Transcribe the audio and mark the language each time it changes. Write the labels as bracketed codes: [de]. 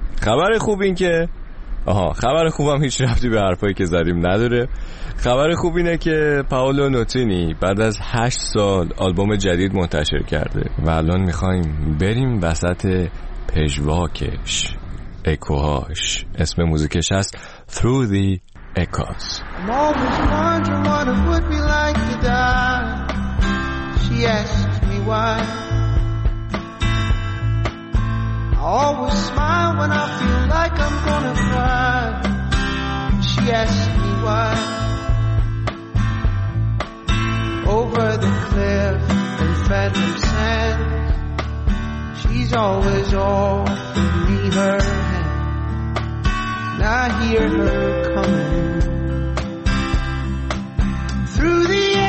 [fa] خبر خوب این که خبر خوبم هیچ ربطی به حرفایی که زدیم نداره. خبر خوب اینه که پائولو نوتینی بعد از 8 سال آلبوم جدید منتشر کرده و الان میخوایم بریم وسط پژواکش، اکوهاش. اسم موزیکش هست Through the Echoes. [en] I'm always wondering what it would be like to die. She asked me why. I always smile when I feel like I'm gonna cry. She asks me why. Over the cliff in phantom sand, she's always offered me her hand. And I hear her coming through the